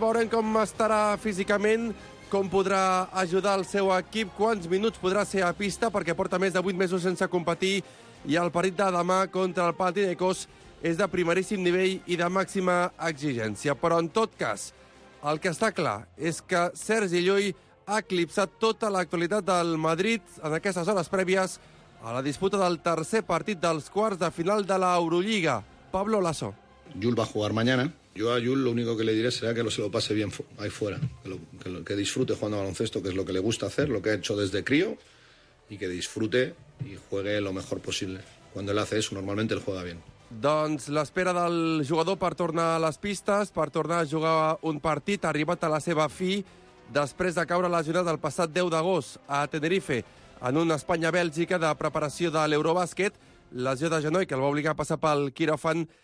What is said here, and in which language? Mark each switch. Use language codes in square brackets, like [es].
[ca] Veurem com estarà físicament, com podrà ajudar el seu equip, quants minuts podrà ser a pista, perquè porta més de 8 mesos sense competir, i el partit de demà contra el Panathinaikos és de primeríssim nivell i de màxima exigència. Però, en tot cas, el que està clar és que Sergi Llull ha eclipsat tota l'actualitat del Madrid en aquestes hores prèvies a la disputa del tercer partit dels quarts de final de la Euroliga. Pablo Lasso. [es] Llull va jugar mañana. Yo a Llull lo único que le diré será que se lo pase bien ahí fuera, que disfrute jugando a baloncesto, que es lo que le gusta hacer, lo que ha hecho desde crío, y que disfrute y juegue lo mejor posible. Cuando él hace eso, normalmente él juega bien. [ca] Doncs l'espera del jugador per tornar a les pistes, per tornar a jugar un partit, ha arribat a la seva fi després de caure lesionat el passat 10 d'agost a Tenerife en una Espanya-Bèlgica de preparació de l'Eurobàsquet, lesió de genoll que el va obligar a passar pel quiròfan.